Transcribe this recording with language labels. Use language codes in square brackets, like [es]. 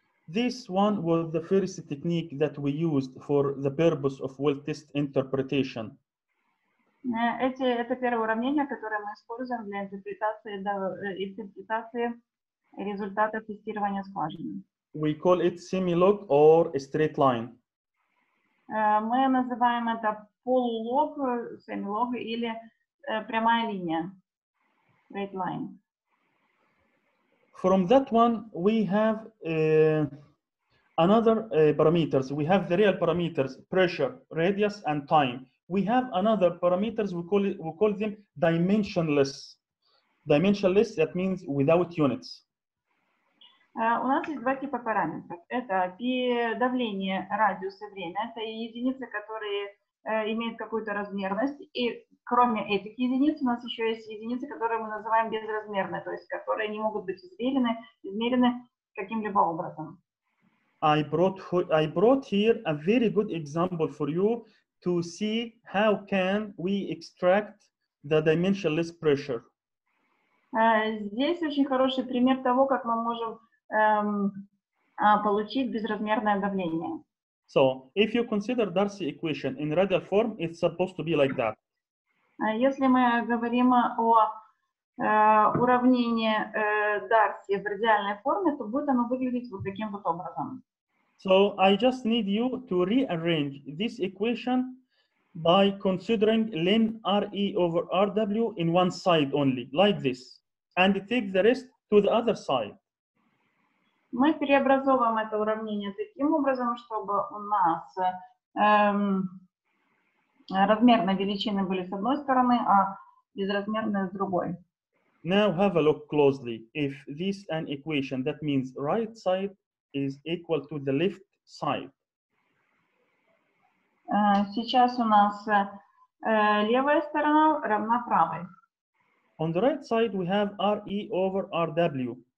[en] This one was the first technique that we used for the purpose of well test interpretation. [ru] Это первое уравнение, которое мы используем для интерпретации результата тестирования скважины. [en] We call it semi-log or a straight line. [ru] Мы называем это полулог, semi-log или прямая линия. [en] Straight line. From that one, we have another parameters. We have the real parameters, pressure, radius, and time. We have another parameters, we call them dimensionless. Dimensionless, that means without units. [ru] У нас есть два типа параметров. Это давление, радиус и время. Это единицы, которые имеют какую-то размерность. И кроме этих единиц, у нас еще есть единицы, которые мы называем безразмерные, то есть которые не могут быть измерены каким-либо образом. [en] I brought here a very good example for you to see how can we extract the dimensionless pressure. [ru] Здесь очень хороший пример того, как мы можем получить безразмерное давление. [en] So, if you consider Darcy equation in radial form, it's supposed to be like that. [ru] Если мы говорим о уравнении Дарси в радиальной форме, то будет оно выглядеть вот таким вот образом. [en] So, I just need you to rearrange this equation by considering ln RE over RW in one side only, like this, and take the rest to the other side. [ru] Мы преобразовываем это уравнение таким образом, чтобы у нас размерные величины были с одной стороны, а безразмерные с другой. [en] Now have a look closely. If this is an equation, that means right side is equal to the left side. [ru] Сейчас у нас левая сторона равна правой. [en] On the right side we have RE over RW.